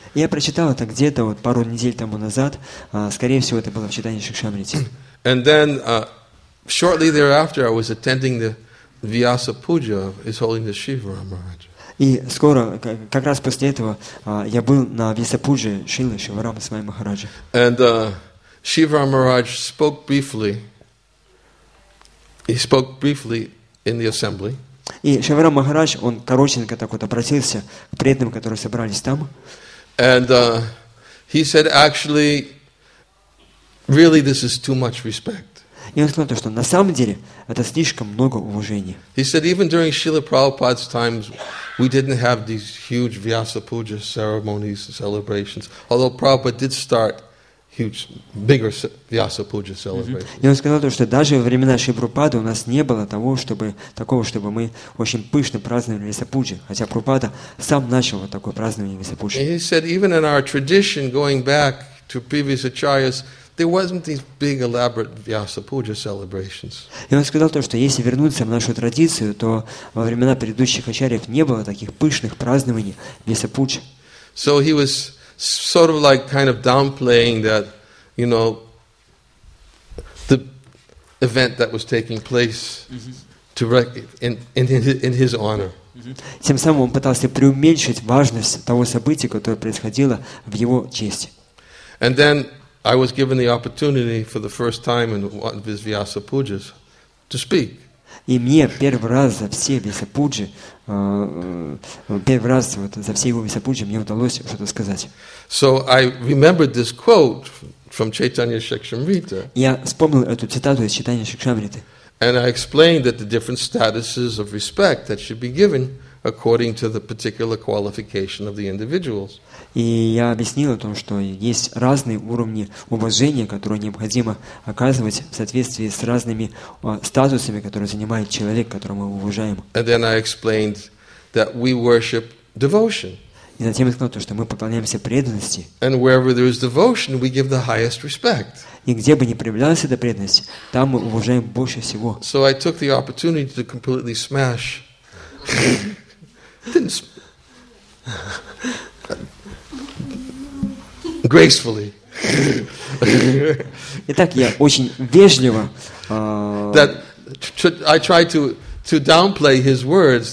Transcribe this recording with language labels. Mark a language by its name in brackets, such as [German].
[Russian] Я прочитал это где-то вот пару недель тому назад. Скорее всего, это было в Чайтанье Шикшамрите. [English] And then, shortly thereafter, I was attending the Vyasa Puja of His Holiness Shivaram Maharaj. [Russian] И скоро, как раз после этого, я был на Вьяса Пудже Шилы Шиварама Свами Махараджа. [English] And Shivaram Maharaj spoke briefly. He spoke briefly in the assembly. [Russian] И Шиварам Махарадж, он коротенько так вот обратился к преданным, которые собрались там. [English] And he said, actually, really, this is too much respect. [Russian] И он сказал то, что на самом деле это слишком много уважения. [English] He said, even during Srila Prabhupada's times, we didn't have these huge Vyasa Puja ceremonies and celebrations, although Prabhupada did start huge, bigger Vyasa Puja celebration. [Russian] И он сказал то, что даже во времена Шри Прабхупады у нас не было такого, чтобы мы очень пышно праздновали Вьяса Пуджу, хотя Прабхупада сам начал вот такое празднование Вьяса Пуджу. [English] He said, even in our tradition, going back to previous acharyas, there wasn't these big elaborate Vyasa Puja celebrations. [Russian] И он сказал то, что если вернуться в нашу традицию, то во времена предыдущих ачарьев не было таких пышных празднований Вьяса Пуджу. [English] So he was sort of like kind of downplaying that, you know, the event that was taking place to in his honor. [Russian] Тем самым он пытался преуменьшить важность того события, которое происходило в его честь. [English] And then I was given the opportunity for the first time in one of his Vyasa Pujas to speak. [Russian] И мне первый раз за все Вьяса Пуджи, первый раз вот за все его Вьяса Пуджи мне удалось что-то сказать. [English] So I remembered this quote from Chaitanya Shikshamrita. [Russian] Я вспомнил эту цитату из Чайтаньи Шикшамриты. [English] And I explained that the different statuses of respect that should be given according to the particular qualification of the individuals. [Russian] И я объяснил о том, что есть разные уровни уважения, которые необходимо оказывать в соответствии с разными статусами, которые занимает человек, которому мы уважаем. [English] And then I explained that we worship devotion. [Russian] И затем я сказал то, что мы поклоняемся преданности. [English] And wherever there is devotion, we give the highest respect. [Russian] И где бы ни проявлялась эта преданность, там мы уважаем больше всего. [English] So I took the opportunity to completely smash. Gracefully. [Russian] Итак, я очень вежливо. [English] That I try to downplay his words.